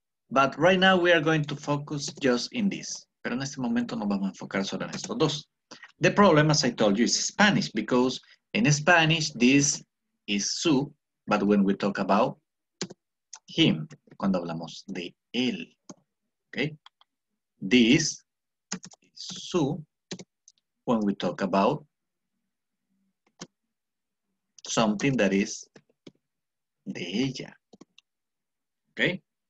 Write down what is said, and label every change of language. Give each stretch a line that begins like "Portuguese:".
English: But right now we are going to focus just in this.
Spanish: Pero en este momento nos vamos a enfocar solo en estos dos.
English: The problem, as I told you, is Spanish, because in Spanish, this is su, but when we talk about him,
Spanish: cuando hablamos de él,
English: okay? This is su when we talk about something that is
Spanish: de ella,
English: okay?